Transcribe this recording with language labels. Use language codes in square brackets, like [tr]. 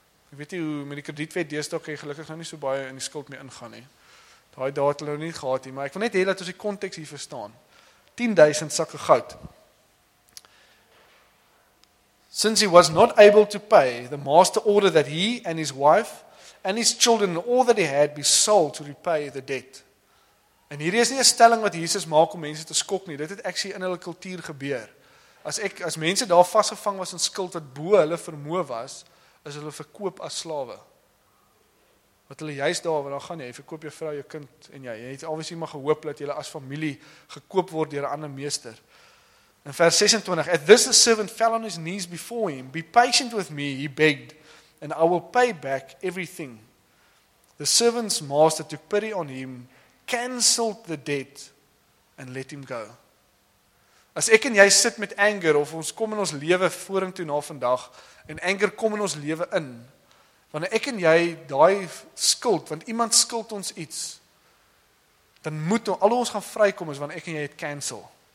[af] Ek weet nie hoe met die kredietwet deesdae, kan jy gelukkig nou nie so baie in die skuld mee ingaan nie. Daai data hulle nie gehad nie, maar ek wil net hê dat ons die konteks hier verstaan. 10,000 sakke goud. [en] Since he was not able to pay, the master ordered that he and his wife and his children and all that he had be sold to repay the debt. [af] En hierdie is nie 'n stelling wat Jesus maak om mense te skok nie. Dit het actually in hulle kultuur gebeur. As mense daar vasgevang was in skuld wat bo hulle vermoë was, is hulle verkoop as slawe. Wat hulle juist daar wat daar gaan, jy verkoop jou vrou, jou kind en jy. Jy het obviously maar gehoop dat jy as familie gekoop word deur 'n ander meester. In vers 26, [en] At this the servant fell on his knees before him. Be patient with me, he begged, and I will pay back everything. The servant's master took pity on him, cancelled the debt, and let him go. [af] As ek en jy sit met anger, of ons kom in ons lewe vorentoe na vandag, en anger kom in ons lewe in, wanneer ek en jy daai skuld, want iemand skuld ons iets, dan moet al ons gaan vrykom is wanneer ek en jy het cancel.